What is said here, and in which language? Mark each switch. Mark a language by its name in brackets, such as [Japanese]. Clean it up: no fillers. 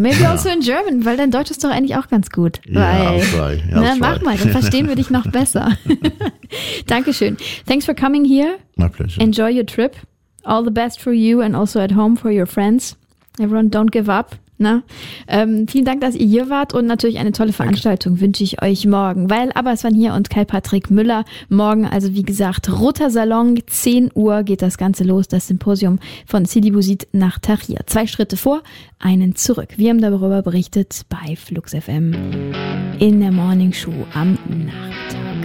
[English] Maybe also in German, [German] weil dein Deutsch ist doch eigentlich auch ganz gut. [English] Weil, yeah, I'll try. [German] Mach mal, dann verstehen wir dich noch besser. [English] Dankeschön. Thanks for coming here. My pleasure. Enjoy your trip. All the best for you and also at home for your friends. Everyone, don't give up. [German] Na, vielen Dank, dass ihr hier wart und natürlich eine tolle Veranstaltung wünsche ich euch morgen. Weil Abbas van hier und Kai-Patrick Müller morgen, also wie gesagt, Roter Salon, 10 Uhr geht das Ganze los, das Symposium von Sidi Bouzid nach Tahrir. 2 Schritte vor, einen zurück. Wir haben darüber berichtet bei Flux FM in der Morning Show am Nachmittag.